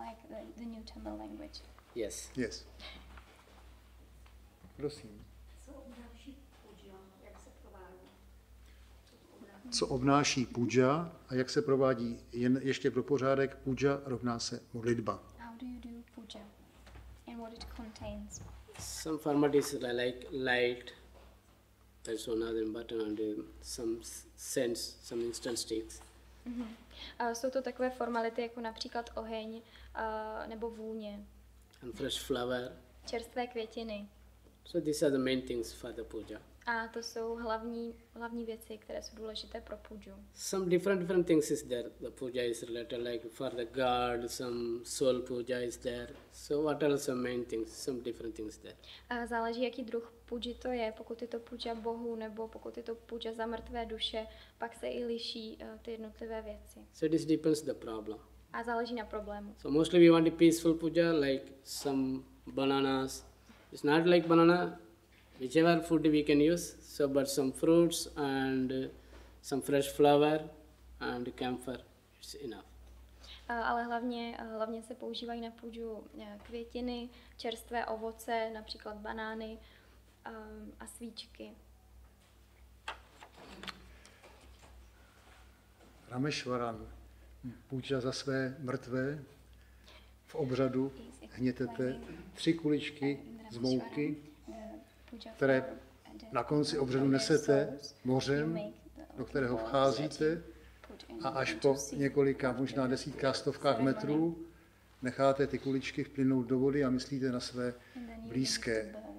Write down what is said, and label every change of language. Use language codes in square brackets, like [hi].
[en] Like the new Tamil language. Yes. Yes. [cs] Prosím. Co obnáší puja a jak se provádí? Jen ještě pro pořádek, puja rovná se modlitba. [en] How do you do puja and what it contains? Some formalities like light, there's another button and some sense, some instant sticks. [cs] Jsou to takové formality jako například oheň nebo vůně. [en] And fresh flower. [cs] Čerstvé květiny. [en] So these are the main things for the puja. [cs] A to jsou hlavní věci, které jsou důležité pro puju. [en] Some different things is there. The puja is related like for the god, some soul puja is there. So what are some main things? Some different things there. [cs] A záleží, jaký druh puji to je. Pokud je to puja bohu nebo pokud je to puja za mrtvé duše, pak se i liší ty jednotlivé věci. [en] So this depends the problem. [cs] A záleží na problému. [en] So mostly we want a peaceful puja like some bananas. It's not like banana. Whichever food we can use, so but some fruits and some fresh flower and camphor is enough. [cs] Ale hlavně se používají na půdu květiny, čerstvé ovoce, například banány a svíčky. Rameshwaran, půjča za své mrtvé v obřadu hnětete tři kuličky z mouky, které na konci obřadu nesete mořem, do kterého vcházíte a až po několika, možná desítkách, stovkách metrů necháte ty kuličky vplynout do vody a myslíte na své blízké.